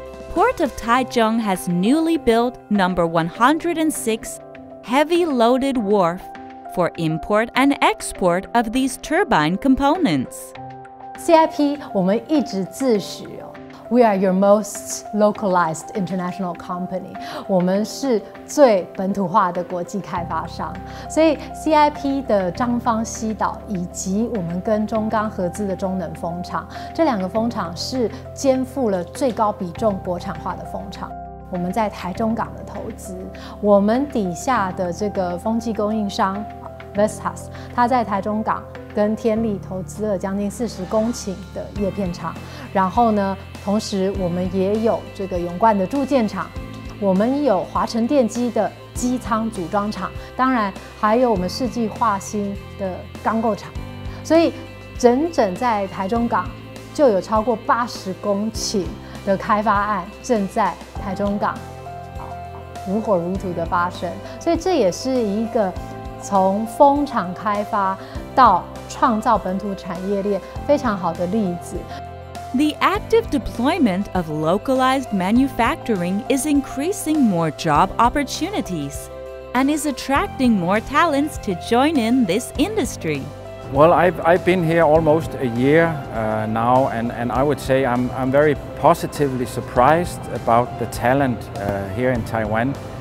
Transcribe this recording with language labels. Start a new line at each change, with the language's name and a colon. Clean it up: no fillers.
English: Port of Taichung has newly built number 106 heavy-loaded wharf for import and export of these turbine components. CIP,
Chinese: 我们一直自诩,
English: we are your most localized international company.
Chinese: 我们是最本土化的国际开发商。所以CIP的张方西岛 以及我们跟中钢合资的中能风厂, 这两个风厂是肩负了最高比重国产化的风厂。我们在台中港的投资, 我们底下的这个风机供应商 Vestas, 它在台中港 跟天力投资了将近40公顷的叶片厂, 然后呢, 同时我们也有这个永冠的铸件厂, 我们有华城电机的机舱组装厂, 当然还有我们世纪化新的钢构厂, 所以整整在台中港就有超过80公顷的开发案, 正在台中港如火如荼的发生, 所以这也是一个 从封厂开发到创造本土产业链非常好的例子。
English: The active deployment of localized manufacturing is increasing more job opportunities and is attracting more talents to join in this industry. Well, I've been here almost a year now, and I would say I'm very positively surprised about the talent here in Taiwan.